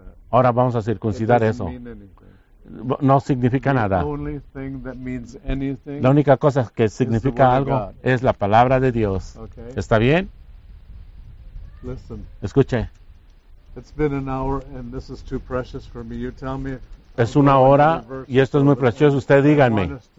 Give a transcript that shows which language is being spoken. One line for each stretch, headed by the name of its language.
Spanish: Ahora vamos a circuncidar eso. No significa nada. La única cosa que significa algo es la palabra de Dios. ¿Está bien?
English: Listen.
Spanish: Escuche.
English: It's been an hour and this is too precious for me. You tell me.
Spanish: Es una hora y esto es muy precioso. Usted díganme.